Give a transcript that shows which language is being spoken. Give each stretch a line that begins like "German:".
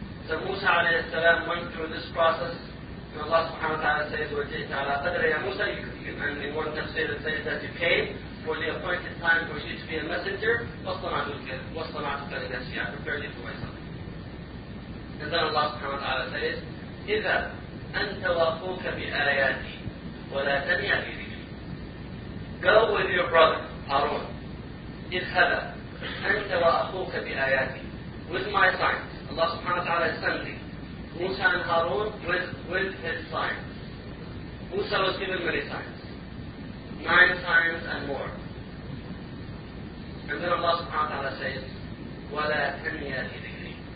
English: So Musa alayhi salam went through this process. And Allah subhanahu wa ta'ala says,
Arabic: وَجِئْتَ عَلَىٰ قَدْرِ يَا مُوسَىٰ
English: And in one tafsir it says that you came for the appointed time for you to be a messenger.
Arabic: وَصْطَنَعْتُكَ لِنَفْسِي
English: I prepared you for myself. And then Allah subhanahu wa ta'ala says,
Arabic: إِذَا أَنْتَ وَأَخُوكَ بِآيَاتِي وَلَا تَنِيَا بِذِكْرِي
English: Go with your brother, Harun.
Arabic: إِذْهَبَ أَنْتَ وَأَخُوكَ بِآيَاتِي
English: With my signs. Allah subhanahu wa ta'ala is sending Musa and Harun with his signs. Musa was given many signs. Nine signs and more. And then Allah subhanahu wa ta'ala says,
Arabic: وَلَا تَنِيَا لِذِكْرِي.